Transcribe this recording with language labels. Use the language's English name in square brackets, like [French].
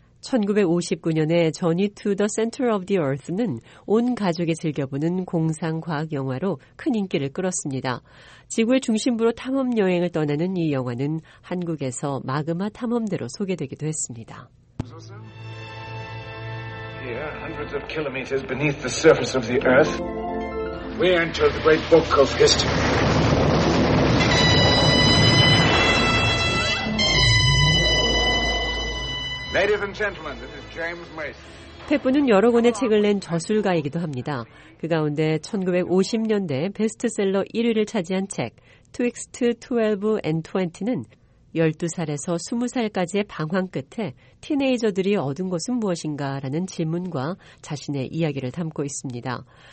[Korean] 1959년에 Journey to the Center of the Earth는 온 가족이 즐겨보는 공상과학 영화로 큰 인기를 끌었습니다. 지구의 중심부로 탐험여행을 떠나는 이 영화는 한국에서 마그마 탐험대로 소개되기도 했습니다. [English] Here, hundreds of kilometers beneath the surface of the Earth, we enter the great book of history. Ladies and gentlemen, this is James Mason. [Korean] 페프는 여러 권의 책을 낸 저술가이기도 합니다. 그 가운데 1950년대 베스트셀러 1위를 차지한 책 'Twixt 12 and 20'는 12살에서 20살까지의 방황 끝에 티네이저들이 얻은 것은 무엇인가라는 질문과 자신의 이야기를 담고 있습니다.